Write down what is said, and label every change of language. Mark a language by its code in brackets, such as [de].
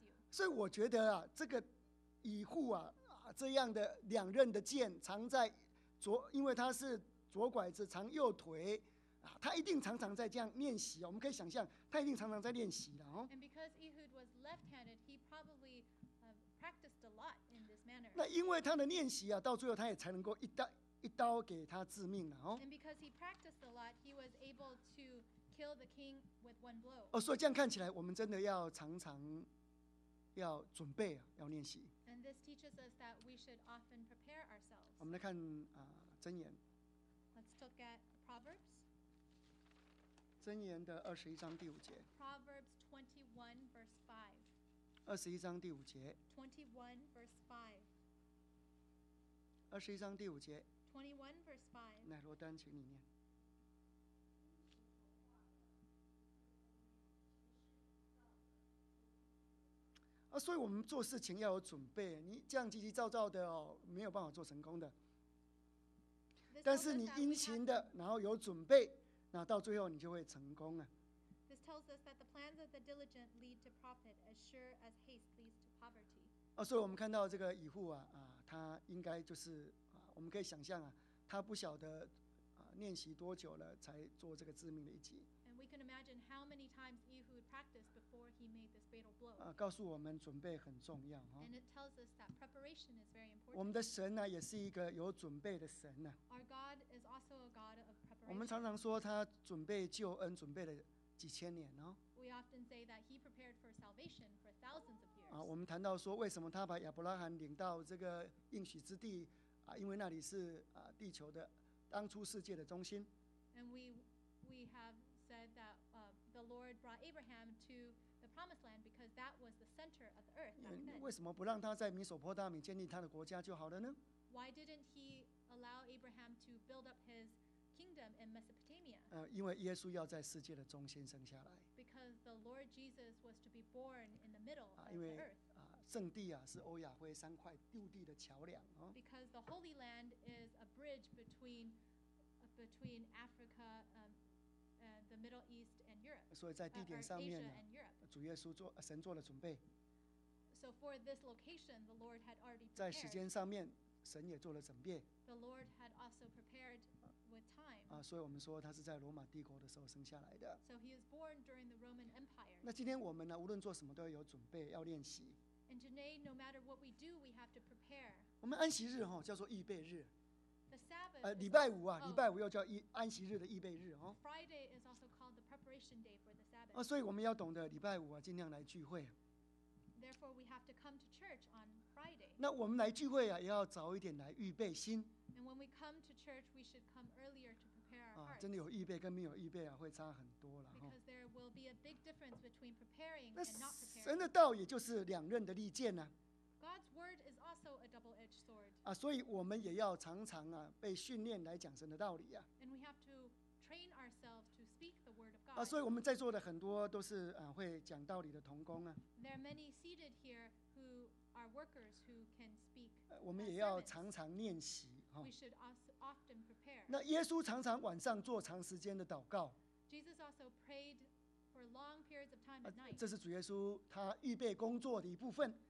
[zh] 所以我觉得啊，这个以户啊这样的两刃的剑藏在左，因为他是左拐子，藏右腿，他一定常常在这样练习，我们可以想象他一定常常在练习的。 [en] And because Ehud was left-handed, he probably practiced a lot in this manner. [zh] 那因为他的练习啊，到最后他也才能够一刀给他致命了。 [en] And because he practiced a lot, he was able to kill the king with one blow. [zh] 哦，所以这样看起来，我们真的要常常要准备，要练习。 [en] And this teaches us that we should often prepare ourselves. [zh] 我们来看箴言。 [en] Let's look at Proverbs. [zh] 箴言的21章第五节。 [en] Proverbs 21 verse 5. [zh] 21章第五节。 [en] 21 verse 5. [zh] 21章第五节。 [en] 21 verse 5. [zh] 乃罗丹，请你念。所以我们做事情要有准备，你这样急急躁躁的哦，没有办法做成功的。但是你殷勤的，然后有准备，那到最后你就会成功了。 [en] This tells us that the plans of the diligent lead to profit, as sure as haste leads to poverty. [zh] 所以我们看到这个以户他应该就是我们可以想象他不晓得练习多久了才做这个致命的一击。 [en] And we can imagine how many times Ehud practiced before he made this fatal blow. [zh] 告诉我们准备很重要。 [en] And it tells us that preparation is very important. [zh] 我们的神呢，也是一个有准备的神呢。 [en] Our God is also a God of preparation. [zh] 我们常常说他准备救恩准备了几千年哦。 [en] We often say that he prepared for salvation for thousands of years. [zh] 我们谈到说为什么他把亚伯拉罕领到这个应许之地因为那里是地球的当初世界的中心。 [en] And we have. Said that the Lord brought Abraham to the Promised Land because that was the center of the earth. Back then. [zh] 为什么不让他在米索波大米建立他的国家就好了呢 [en] ？Why didn't he allow Abraham to build up his kingdom in Mesopotamia？ [zh] 因为耶稣要在世界的中心生下来。 [en] Because the Lord Jesus was to be born in the middle of the earth. [zh] 因为圣地是欧亚非三块六地的桥梁哦。 [en] Because the Holy Land is a bridge between Africa. The Middle East and Europe. [zh] 所以在地点上面呢，主耶稣做神做了准备。 [en] So for this location, the Lord had already prepared. [zh] 在时间上面，神也做了准备。 [en] The Lord had also prepared with time. [zh] 所以我们说他是在罗马帝国的时候生下来的。 [en] So he was born during the Roman Empire. [zh] 那今天我们呢，无论做什么都要有准备，要练习。 [en] And today, no matter what we do, we have to prepare. [zh] 我们安息日哈叫做预备日。 [en] The Sabbath [zh] 礼拜五礼拜五又叫安息日的预备日哦。 [en] Friday is also called the preparation day for the Sabbath. [zh] 所以我们要懂得礼拜五尽量来聚会。 [en] Therefore, we have to come to church on Friday. [zh] 那我们来聚会也要早一点来预备心。 [en] And when we come to church, we should come earlier to prepare our hearts. [zh] 真的有预备跟没有预备会差很多了哈。 [en] Because there will be a big difference between preparing and not preparing. [zh] 神的道也就是两刃的利剑呢。 [en] God's word is also a double-edged sword. [zh] 所以我们也要常常被训练来讲神的道理 [en] And we have to train ourselves to speak the word of God. [zh] 所以我们在座的很多都是会讲道理的同工 [en] There are many seated here who are workers who can speak. [zh] 我们也要常常练习 [en] We should also often prepare. [zh] 那耶稣常常晚上做长时间的祷告 [en] Jesus also prayed for long periods of time at night. [zh] 这是主耶稣他预备工作的一部分。